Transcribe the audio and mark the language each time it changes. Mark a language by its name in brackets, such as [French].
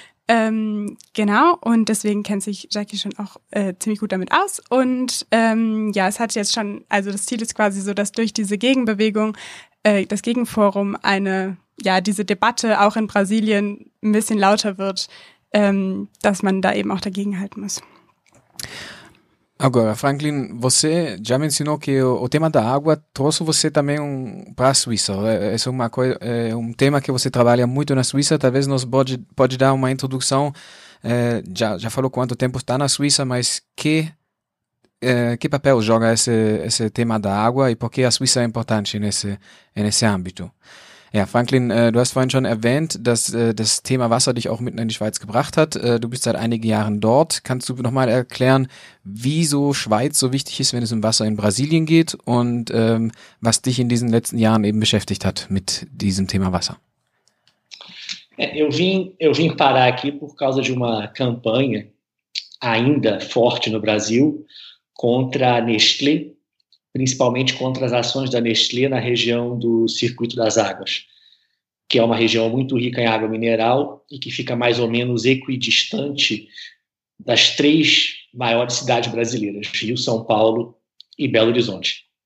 [German] Genau, und deswegen kennt sich Jackie schon auch ziemlich gut damit aus. Und ja, es hat jetzt schon, also das Ziel ist quasi so, dass durch diese Gegenbewegung, das Gegenforum, diese Debatte auch in Brasilien ein bisschen lauter wird, dass man da eben auch dagegen halten muss. [Portuguese] Agora, Franklin, você já mencionou que o tema da água trouxe você também para a Suíça. Esse é um tema que você trabalha muito na Suíça. Talvez nos pode dar uma introdução. Já falou quanto tempo está na Suíça, mas que papel joga esse tema da água e por que a Suíça é importante nesse âmbito? [German] Ja, Franklin, du hast vorhin schon erwähnt, dass das Thema Wasser dich auch mitten in die Schweiz gebracht hat. Du bist seit einigen Jahren dort. Kannst du nochmal erklären, wieso Schweiz so wichtig ist, wenn es um Wasser in Brasilien geht, und was dich in diesen letzten Jahren eben beschäftigt hat mit diesem Thema Wasser? [Portuguese] Eu vim parar aqui por causa de uma campanha ainda forte no Brasil contra a Nestlé, principalmente contra as ações da Nestlé na região do Circuito das Águas, que é uma região muito rica em água mineral e que fica mais ou menos equidistante das três maiores cidades brasileiras, Rio, São Paulo e Belo Horizonte.